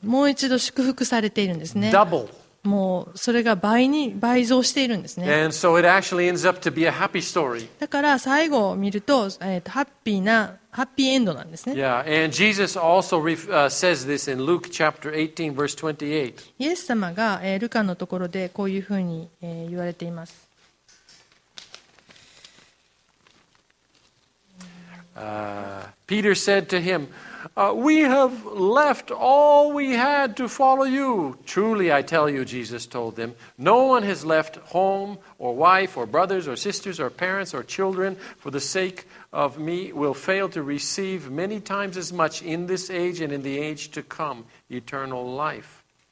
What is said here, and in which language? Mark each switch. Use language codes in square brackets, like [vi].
[ja] もう一度祝福されているんですね。 [en] Double. [ja] もうそれが倍増しているんですね。 [en] And so it actually ends up to be a happy story. [ja] だから最後を見ると、ハッピーエンドなんですね。 [en] Yeah, and Jesus also says this in Luke chapter 18, verse 28. [ja] イエス様が、ルカのところでこういうふうに、言われています。 [en] Peter said to him, we have left all we had to follow you. Truly, I tell you, Jesus told them, no one has left home or wife or brothers or sisters or parents or children for the sake of me will fail to receive many times as much in this age and in the age to come eternal life.